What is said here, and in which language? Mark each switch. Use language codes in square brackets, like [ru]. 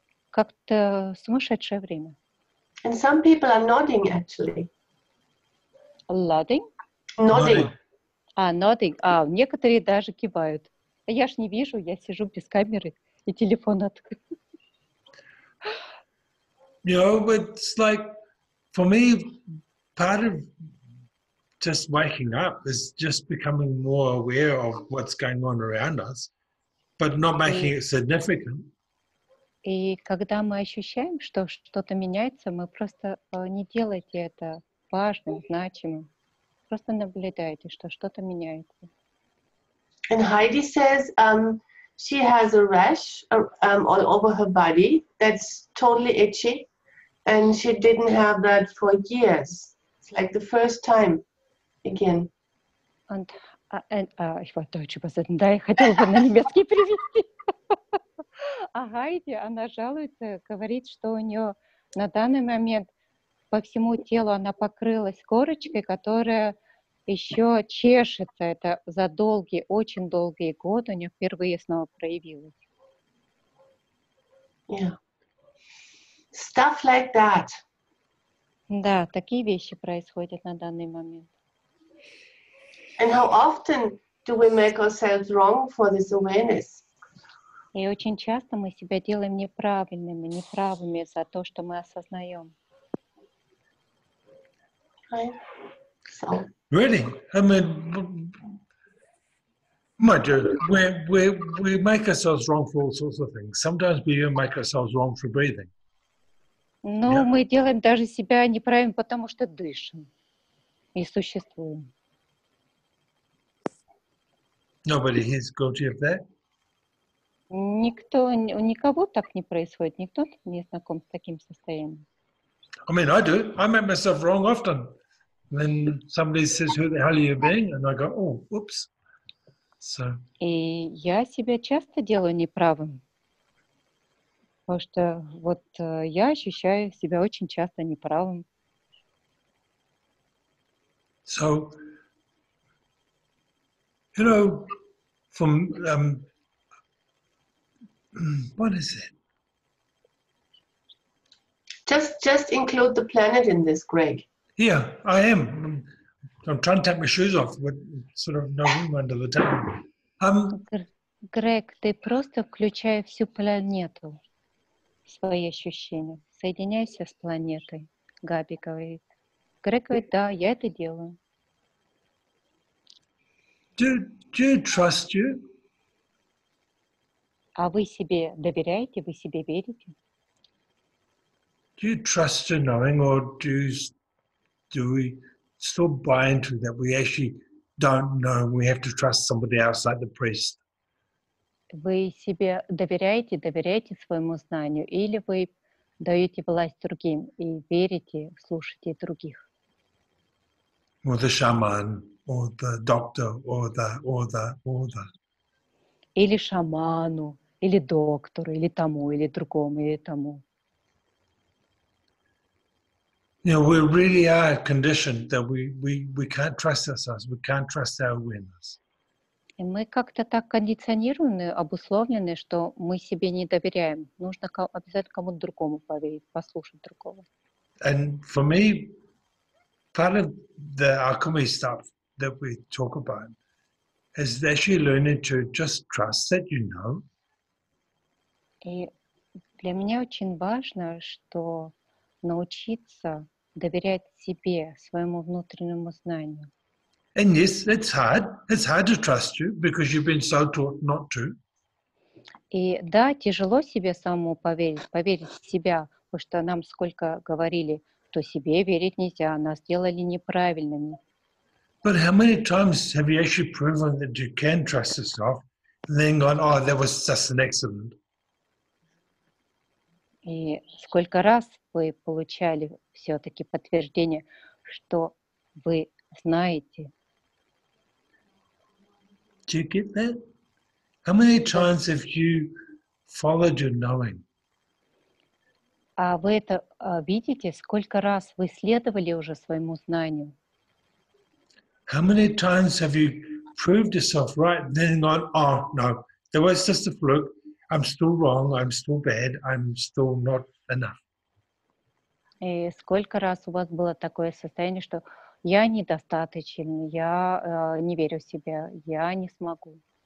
[ru] Как-то сумасшедшее время. [en] And some people are nodding, actually. Nodding? Nodding. [ru] А, nodding. А, некоторые даже кивают. А я ж не вижу, я сижу без камеры и телефон открыт. [en] You know, it's like, for me, part of just waking up is just becoming more aware of what's going on around us, but not making it significant. [ru] И когда мы ощущаем, что что-то меняется, мы просто не делайте это важным, значимым. Просто наблюдайте, что что-то меняется. [en] And Heidi says she has a rash all over her body that's totally itchy, and she didn't have that for years. It's like the first time again. And [de] ich wollte Deutsch übersetzen, da ich [ru] хотела бы на немецкий перевести. А Хайди, она жалуется, говорит, что у нее на данный момент по всему телу она покрылась корочкой, которая еще чешется. Это за долгие, очень долгие годы у нее впервые снова проявилось. [en] Yeah. Stuff like that. [ru] Да, такие вещи происходят на данный момент. [en] And how often do we make ourselves wrong for this awareness? [ru] И очень часто мы себя делаем неправильными, неправыми за то, что мы осознаем. [en] Right. So. Really? I mean, my dear, we make ourselves wrong for all sorts of things. Sometimes we even make ourselves wrong for breathing. Ну, yeah. [ru] Мы делаем даже себя неправильно, потому что дышим и существуем. [en] Nobody is guilty of that. [ru] Никто, у никого так не происходит, никто не знаком с таким состоянием. [en] I mean, I do. I make myself wrong often. And then somebody says, who the hell are you being? And I go, oh, oops. So. [ru] И я себя часто делаю неправым. Потому что вот я ощущаю себя очень часто неправым. [en] So, you know, from... What is it? Just include the planet in this, Greg. Yeah, I am. I'm trying to take my shoes off, but sort of no room under the table. [ru] Greg, ты просто включай всю планету в свои ощущения. Соединяйся с планетой. Габи говорит. Greg говорит, да, я это делаю. [en] Do you trust you? [ru] А вы себе доверяете, вы себе верите? [en] do you trust in knowing, or do we still buy into that we actually don't know, we have to trust somebody else like the priest? [ru] Вы себе доверяете, доверяете своему знанию, или вы даете власть другим и верите, слушаете других? [en] Or the shaman, or the doctor, or the. [ru] Или шаману, или доктору, или тому, или другому, или тому. [en] You know, we really are conditioned that we can't trust ourselves, we can't trust our awareness. [ru] И мы как-то так кондиционированы, обусловлены, что мы себе не доверяем. Нужно обязательно кому-то другому поверить, послушать другого. [en] And for me, part of the alchemy stuff that we talk about is actually learning to just trust that you know. [ru] И для меня очень важно, что научиться доверять себе, своему внутреннему знанию. [en] And yes, it's hard. It's hard to trust you because you've been so taught not to. [ru] И да, тяжело себе самому поверить в себя, потому что нам сколько говорили, то себе верить нельзя, нас делали неправильными. [en] But how many times have you actually proven that you can trust yourself and then gone, oh, that was just an accident? [ru] И сколько раз вы получали все-таки подтверждение, что вы знаете? [en] Do you get that? How many times have you followed your knowing? [ru] А вы это видите, сколько раз вы следовали уже своему знанию? [en] How many times have you proved yourself right, then gone, oh no, there was just a fluke, I'm still wrong, I'm still bad, I'm still not enough? [ru] И сколько раз у вас было такое состояние, что я недостаточен, я не верю в себя, я не смогу.